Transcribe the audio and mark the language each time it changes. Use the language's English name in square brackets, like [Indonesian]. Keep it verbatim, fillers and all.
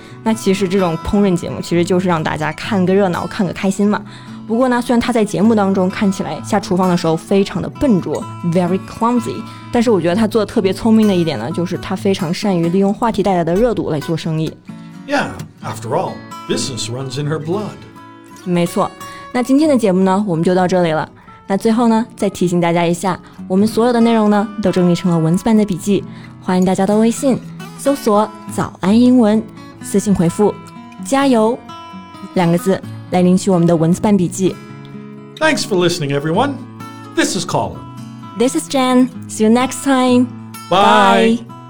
[Chinese] 那其实这种烹饪节目其实就是让大家看个热闹看个开心嘛。不过呢，虽然她在节目当中看起来下厨房的时候非常的笨拙 [English] very clumsy， [Chinese] 但是我觉得她做的特别聪明的一点呢，就是她非常善于利用话题带来的热度来做生意。 [English] Yeah, after all, business runs in her blood. [Chinese] 没错，那今天的节目呢我们就到这里了。那最后呢再提醒大家一下，我们所有的内容呢都整理成了文字版的笔记，欢迎大家到微信搜索早安英文，私信回复加油两个字来领取我们的文字版笔记。 [English] Thanks for listening, everyone. This is Colin. This is Jen. See you next time. Bye. Bye.